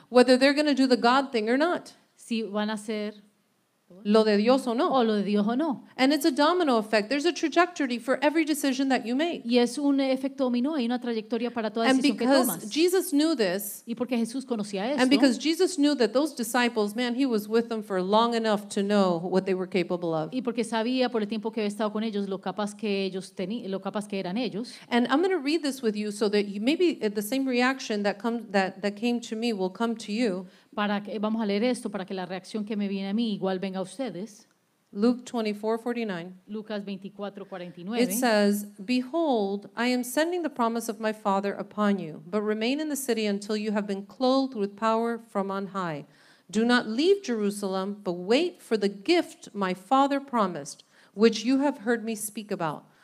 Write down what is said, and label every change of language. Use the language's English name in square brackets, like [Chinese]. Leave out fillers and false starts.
[English] Whether they're going to do the God thing or not. [Spanish] Si van a hacer lo de Dios o no. O lo de Dios o no. [English] And it's a domino effect. There's a trajectory for every decision that you make. [Spanish] Y es un efecto dominó. Hay una trayectoria para toda decisión que tomas. [English] And because Jesus knew this. [Spanish] Y porque Jesús conocía esto. [English] And because Jesus knew that those disciples, man, he was with them for long enough to know what they were capable of. [Spanish] Y porque sabía por el tiempo que había estado con ellos lo capaz que ellos tenían, lo capaz que eran ellos. [English] And I'm going to read this with you so that you, maybe the same reaction that came to me will come to you. [Spanish] Para que, vamos a leer esto para que la reacción que me viene a mí igual venga a ustedes. [English] Luke 24:49. [Spanish] Lucas 24:49. [English] It says, "Behold, I am sending the promise of my Father upon you, but remain in the city until you have been clothed with power from on high. Do not leave Jerusalem, but wait for the gift my Father promised, which you have heard me speak about.